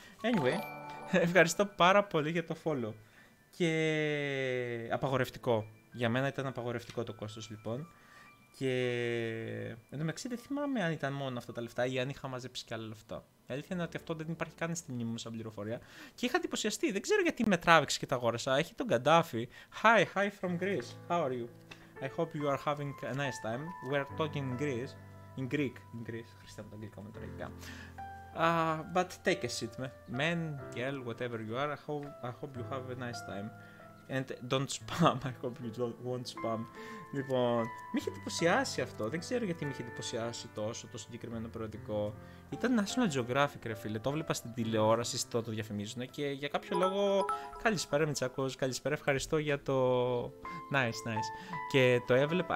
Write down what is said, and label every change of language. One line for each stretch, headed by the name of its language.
English: Anyway,
Greek: ευχαριστώ πάρα πολύ για το follow. Και απαγορευτικό. Για μένα ήταν απαγορευτικό το κόστος, λοιπόν. Και εν τω μεταξύ δεν θυμάμαι αν ήταν μόνο αυτά τα λεφτά ή αν είχα μαζέψει και άλλα λεφτά. Η αλήθεια είναι ότι αυτό δεν υπάρχει καν στην μνήμη μου σαν πληροφορία. Και είχα εντυπωσιαστεί. Δεν ξέρω γιατί με τράβηξε και τα αγόρασα. Έχει τον Γκαντάφη.
English: Hi, hi from Greece. How are you? I hope you are having a nice time. We are talking in Greece. In Greek. In Greece.
Greek: Χριστέ μου, το αγγλικό με το ρεγγικά.
English: But take a seat, man, girl, whatever you are. I hope you have a nice time. And don't spam, I hope you won't spam.
Greek: Λοιπόν, με είχε εντυπωσιάσει αυτό. Δεν ξέρω γιατί με είχε εντυπωσιάσει τόσο το συγκεκριμένο περιοδικό. Ήταν National Geographic, ρε φίλε. Το βλέπα στην τηλεόραση, στο το διαφημίζουν. Και για κάποιο λόγο, καλησπέρα Μητσάκος, καλησπέρα, ευχαριστώ για το.
English: Nice, nice.
Greek: Και το έβλεπα.